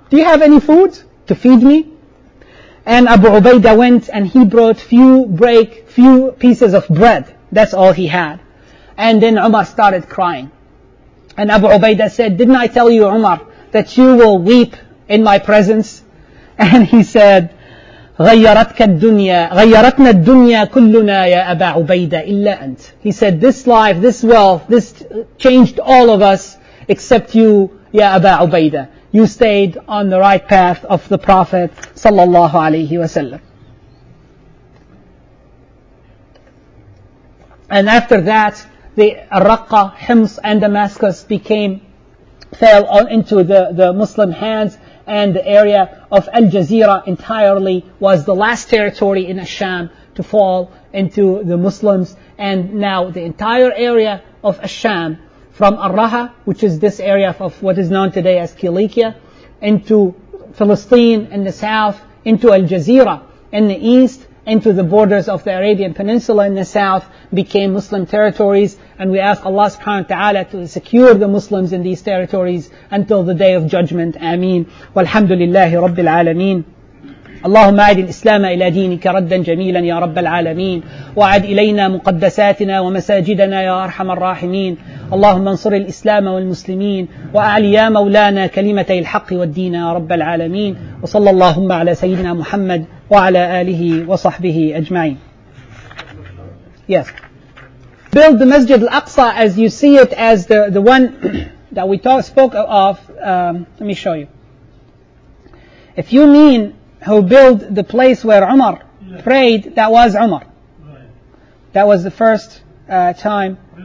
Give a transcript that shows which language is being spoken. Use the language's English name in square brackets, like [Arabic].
[English] Do you have any food to feed me? And Abu Ubaidah went and he brought few pieces of bread. That's all he had. And then Umar started crying. And Abu Ubaidah said, didn't I tell you, Umar, that you will weep in my presence? And he said, [Arabic] غَيَّرَتْنَا الدُّنْيَا كُلُّنَا يَا أَبَا عُبَيْدَةَ إِلَّا أَنْتَ. [English] He said, this life, this wealth, this changed all of us except you, Ya Aba Ubaidah. You stayed on the right path of the Prophet sallallahu alayhi wa sallam. And after that, the Raqqa, Hims, and Damascus fell into the Muslim hands, and the area of Al-Jazeera entirely was the last territory in Asham to fall into the Muslims. And now the entire area of Asham, from Ar-Raha, which is this area of what is known today as Kilikia, into Palestine in the south, into Al-Jazeera in the east, into the borders of the Arabian Peninsula in the south, became Muslim territories. And we ask Allah subhanahu wa ta'ala to secure the Muslims in these territories until the day of judgment. Ameen. Walhamdulillahi rabbil alameen. [Arabic] اللهم أعد الإسلام إلى دينك ردا جميلا يا رب العالمين وأعد إلينا مقدساتنا ومساجدنا يا أرحم الراحمين اللهم انصر الإسلام والمسلمين وأعلي يا مولانا كلمتي الحق والدين يا رب العالمين وصلى اللهم على سيدنا محمد وعلى آله وصحبه أجمعين. [English] Yes. Build the Masjid al-Aqsa as you see it, as the one that we spoke of. Let me show you. If you mean who built the place where Umar prayed, that was Umar. Right. That was the first time.